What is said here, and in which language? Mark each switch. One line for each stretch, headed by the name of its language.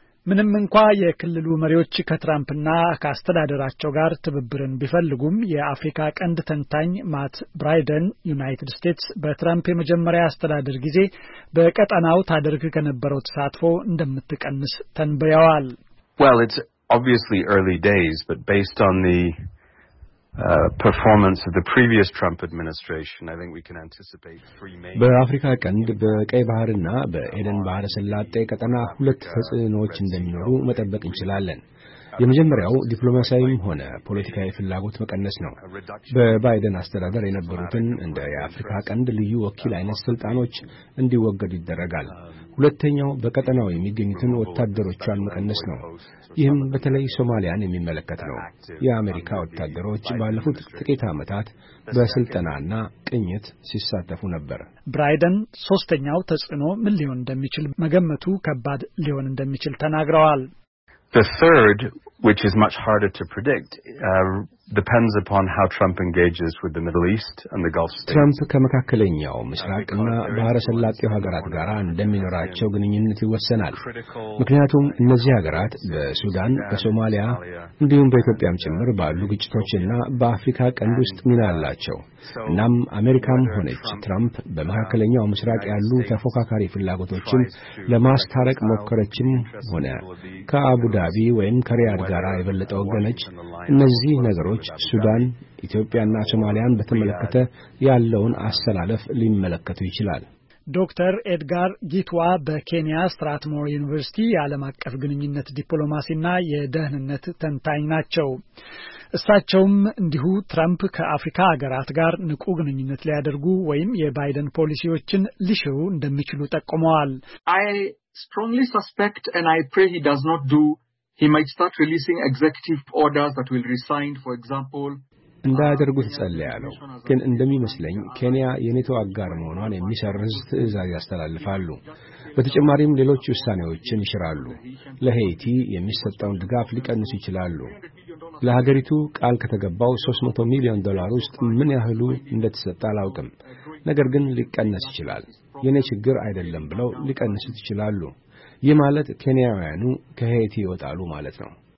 Amharic: ምንም እንኳ የክልሉ መሪዎች ከትራምፕና ከአስተዳደራቸው ጋር ትብብርን ቢፈልጉም የአፍሪካ ቀንድ ተንታኝ ማት ብራይደን ዩናይትድ ስቴትስ በትራምፕ የመጀመሪያ አስተዳደር ጊዜ በቀጠናው ታደርግ ከነበረው ተሳትፎ እንደምትቀንስ ተንብየዋል።
English: Well, it's obviously early days, but based on the performance of the previous Trump administration, I think we can anticipate three main
Amharic: በአፍሪካ ቀንድ በቀይ ባህርና በኤደን ባህረ ሰላጤ ቀጠና ሁለት ተጽዕኖዎች እንደሚኖሩ መጠበቅ እንችላለን። የመጀመሪያው ዲፕሎማሲያዊም ሆነ ፖለቲካዊ ፍላጎት መቀነስ ነው። በባይደን አስተዳደር የነበሩትን እንደ የአፍሪካ ቀንድ ልዩ ወኪል አይነት ስልጣኖች እንዲወገዱ ይደረጋል። ሁለተኛው በቀጠናው የሚገኙትን ወታደሮቿን መቀነስ ነው። ይህም በተለይ ሶማሊያን የሚመለከት ነው። የአሜሪካ ወታደሮች ባለፉት ጥቂት ዓመታት በስልጠናና ቅኝት ሲሳተፉ ነበር። ብራይደን ሶስተኛው ተጽዕኖ ምን ሊሆን እንደሚችል መገመቱ ከባድ ሊሆን እንደሚችል ተናግረዋል።
English: The third, which is much harder to predict, depends upon how Trump engages with the Middle East and the Gulf states.
Amharic: ትራምፕ ከመካከለኛው ምስራቅና ባህረ ሰላጤው ሀገራት ጋር እንደሚኖራቸው ግንኙነት ይወሰናል። ምክንያቱም እነዚህ ሀገራት በሱዳን፣ በሶማሊያ እንዲሁም በኢትዮጵያም ጭምር ባሉ ግጭቶችና በአፍሪካ ቀንድ ውስጥ ሚና አላቸው። እናም አሜሪካም ሆነች ትራምፕ በመካከለኛው ምስራቅ ያሉ ተፎካካሪ ፍላጎቶችን ለማስታረቅ መከረችም ሆነ ከአቡዳቢ ወይም ከሪያድ ጋር የበለጠ ወገነች እነዚህ ሮች ሱዳን ኢትዮጵያና ሶማሊያን በተመለከተ ያለውን አሰላለፍ ሊመለከቱ ይችላል። ዶክተር ኤድጋር ጊትዋ በኬንያ ስትራትሞር ዩኒቨርሲቲ የዓለም አቀፍ ግንኙነት ዲፕሎማሲና የደህንነት ተንታኝ ናቸው። እሳቸውም እንዲሁ ትራምፕ ከአፍሪካ ሀገራት ጋር ንቁ ግንኙነት ሊያደርጉ ወይም የባይደን ፖሊሲዎችን ሊሽሩ እንደሚችሉ ጠቁመዋል።
English: I strongly suspect and I pray he does not do He might start releasing executive orders that will resign, for example.
Amharic: እንዳደረጉት ጸልያለሁ። ግን እንደሚመስለኝ ኬንያ የኔቶ አጋር መሆኗን የሚሰርዝ ትዕዛዝ ያስተላልፋሉ። በተጨማሪም ሌሎች ውሳኔዎችን ይሽራሉ። ለሄይቲ የሚሰጠውን ድጋፍ ሊቀንሱ ይችላሉ። ለሀገሪቱ ቃል ከተገባው 300 ሚሊዮን ዶላር ውስጥ ምን ያህሉ እንደተሰጠ አላውቅም። ነገር ግን ሊቀነስ ይችላል። የኔ ችግር አይደለም ብለው ሊቀንሱ ይችላሉ። የማለት ኬንያውያኑ ከሄይቲ ይወጣሉ ማለት ነው።